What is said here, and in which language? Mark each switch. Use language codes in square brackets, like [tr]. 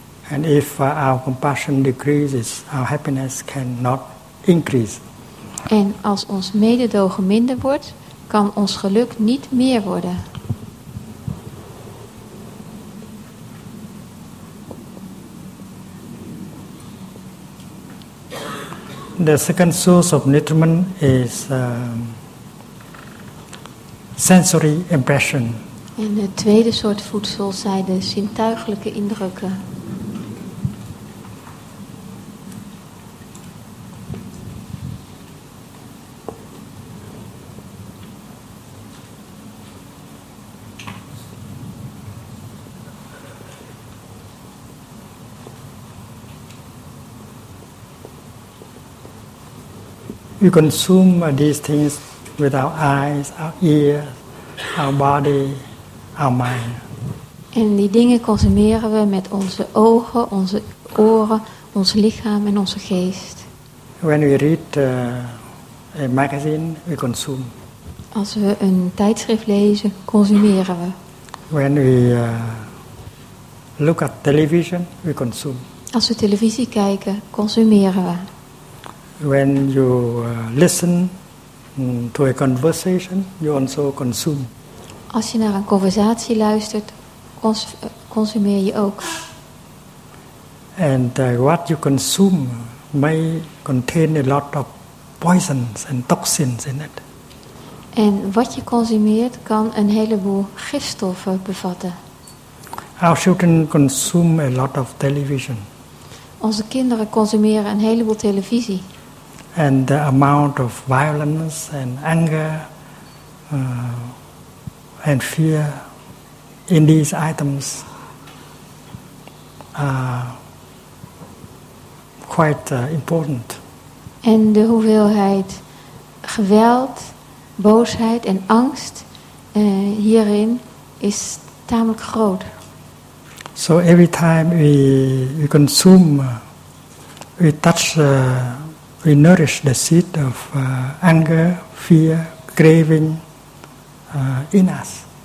[en] And if our compassion decreases, our happiness cannot increase. [nl] En als ons mededogen minder wordt, kan ons geluk niet meer worden. [en] The second source of nutriment is sensory impression. [nl] En de tweede soort voedsel zijn de zintuigelijke indrukken. [en] We consume these things with our eyes, our ears, our body, our mind. [nl] En die dingen consumeren we met onze ogen, onze oren, ons lichaam en onze geest. [en] When we read a magazine, we consume. [nl] Als we een tijdschrift lezen, consumeren we. [en] When we look at television, we consume. [nl] Als we televisie kijken, consumeren we. [en] When you listen to a conversation, you also consume. [nl] Als je naar een conversatie luistert, consumeer je ook. [en] And what you consume may contain a lot of poisons and toxins in it. [nl] En wat je consumeert kan een heleboel gifstoffen bevatten. [en] Our children consume a lot of television. [nl] Onze kinderen consumeren een heleboel televisie. [en] And the amount of violence and anger and fear in these items are quite important. [nl] En de hoeveelheid geweld, boosheid en angst hierin is tamelijk groot. [en] So every time we consume, we touch we nourish the seed of anger, fear, craving in us.